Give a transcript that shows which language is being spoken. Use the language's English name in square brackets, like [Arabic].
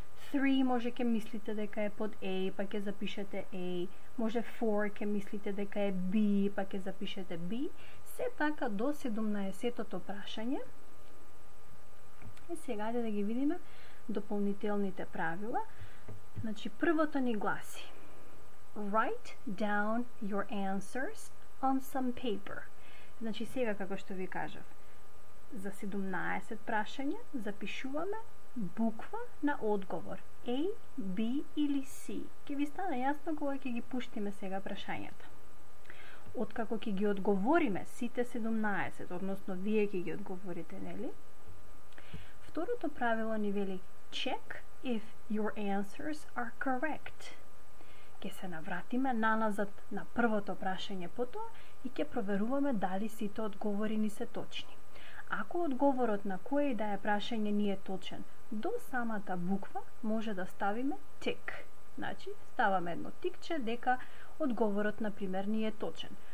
[Macedonian] 3 може ќе мислите дека е под A, па ќе запишете A. Може 4 ќе мислите дека е B, па ќе запишете B. Се така до 17-тото прашање. И сега ајде да ги видиме дополнителните правила. Значи, првото ни гласи: [English] Write down your answers on some paper. [Macedonian] Значи, сега како што ви кажав, за 17 прашања запишуваме буква на одговор. A, B или C. Ке ви стане јасно кога ќе ги пуштиме сега прашањата. Откако ќе ги одговориме сите 17, односно вие ќе ги одговорите, нели? Второто правило ни вели [English] check if your answers are correct. [Macedonian] Ке се навратиме наназад на првото прашање потоа и ке проверуваме дали сите одговори ни се точни. Ако одговорот на кое и да е прашање ни е точен, до самата буква може да ставиме tick. Значи, ставаме едно тикче дека одговорот, например, ни е точен.